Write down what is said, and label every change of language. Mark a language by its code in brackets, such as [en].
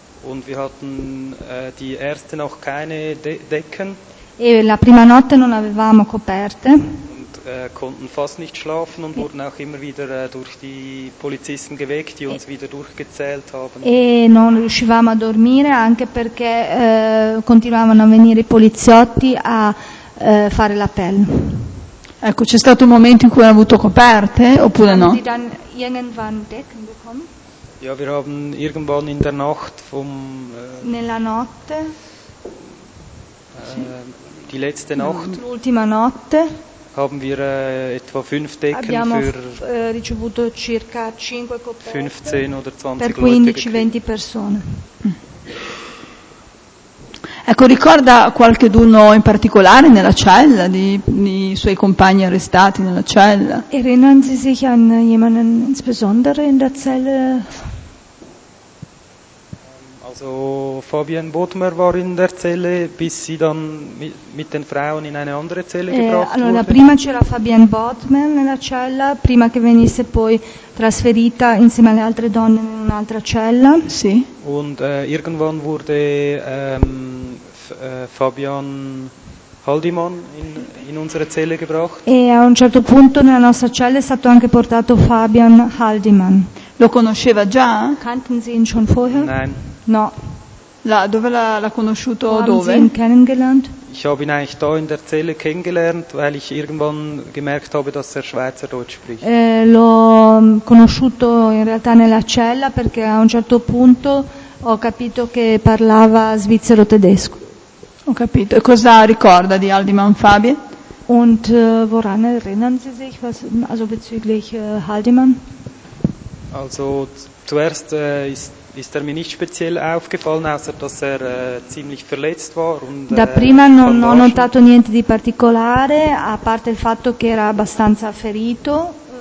[de] Und wir hatten die erste noch keine Decken. [it] E la prima notte non avevamo coperte. [de] Konnten fast nicht schlafen und wurden auch immer wieder durch die Polizisten geweckt, die uns wieder durchgezählt haben. [it] E non riuscivamo a dormire anche perché continuavano a venire i poliziotti a fare l'appello. Ecco, c'è stato un momento in cui hanno avuto coperte oppure no? [de] Sie dann irgendwann Decken bekommen? Ja, wir haben irgendwann in der Nacht vom [it] nella notte [de] die letzte Nacht [it] l'ultima notte [de] haben wir etwa 5 Decken [it] abbiamo [de] für [it] ricevuto circa 5 coperte [de] 15 oder 20 [it] per 15-20 persone. Ecco, ricorda qualcheduno in particolare nella cella di suoi compagni arrestati nella cella? [de] Erinnern Sie sich an jemanden insbesondere in der Zelle? Also Fabian Bodmer war in der Zelle, bis sie dann mit den Frauen in eine andere Zelle gebracht wurde. [it] Allora, prima c'era Fabian Bodmer nella cella, prima che venisse poi trasferita insieme alle altre donne in un'altra cella. Sì. [de] Und irgendwann wurde Fabian Haldimann in unsere Zelle gebracht. [it] E a un certo punto nella nostra cella è stato anche portato Fabian Haldimann. Lo conosceva già? [de] Kannten Sie ihn schon vorher? Nein. [it] No. La, dove l'ha conosciuto? [de] Haben [it] dove? [de] Sie ihn kennengelernt? Ich habe ihn eigentlich da in der Zelle kennengelernt, weil ich irgendwann gemerkt habe, dass er Schweizerdeutsch spricht. [it] L'ho conosciuto in realtà nella cella perché a un certo punto ho capito che parlava svizzero tedesco. Ho capito. E cosa ricorda di Haldimann Fabian? [de] Und woran erinnern Sie sich, was, also bezüglich Haldimann? Also zuerst ist er mir nicht speziell aufgefallen, außer dass er ziemlich verletzt war. Und, [it] da prima non ho notato niente di particolare, a parte il fatto che era abbastanza ferito.